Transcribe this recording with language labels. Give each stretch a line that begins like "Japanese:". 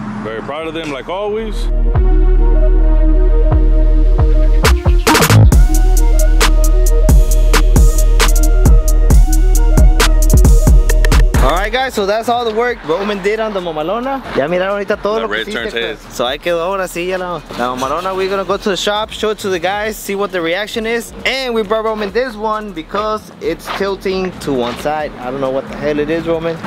English: Very proud of them, like always. Alright guys, so that's all the work Roman did on the Mamalona.
Spanish: Ya miraron ahorita todo lo que hiciste. So ahí quedó ahora sí, ya la Mamalona.
English: We're gonna go to the shop, show it to the guys, see what the reaction is. And we brought Roman this one because it's tilting to one side. I don't know what the hell it is, Roman.